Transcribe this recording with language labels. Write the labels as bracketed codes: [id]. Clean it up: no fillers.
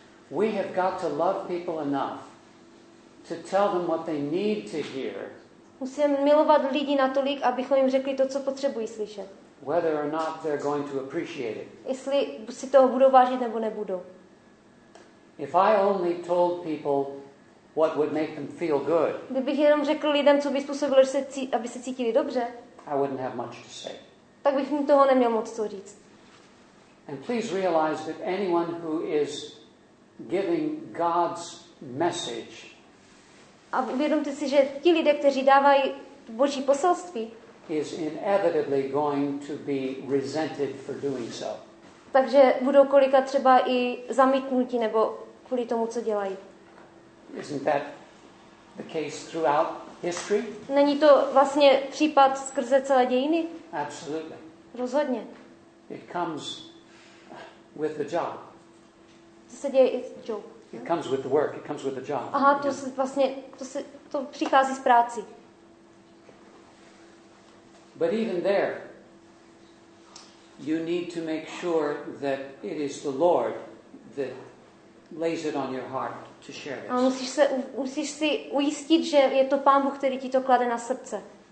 [en] We have got to love people enough to tell them what they need to hear. [cs] Musíme milovat lidi natolik, abychom jim řekli to, co potřebují slyšet. [en] Whether or not they're going to appreciate it. [cs] Jestli si toho budou vážit nebo nebudou. [en] If I only told people what would make them feel good. [cs] Kdybych jenom řekl lidem, co by způsobilo, aby se cítili dobře. [en] I wouldn't have much to say. [cs] Tak bych jim toho neměl moc co říct. [en] And please realize that anyone who is giving God's message. [cs] A uvědomte si, že ti lidé, kteří dávají Boží poselství, [en] is inevitably going to be resented for doing so. [cs] Takže budou kolika třeba i zamítnutí nebo kvůli tomu, co dělají. [en] Isn't that the case throughout history? [cs] Není to vlastně případ skrze celé dějiny? [en] Absolutely. [cs] Rozhodně. [en] It comes with the job. [cs] To se děje i s job. [en] It comes with the work, it comes with the job. [cs] Aha, to se vlastně, to přichází z práci. [en] But even there, you need to make sure that it is the Lord that lays it on your heart to share this. [cs] A musíš si ujistit, že je to Pán Bůh, který ti to klade na srdce.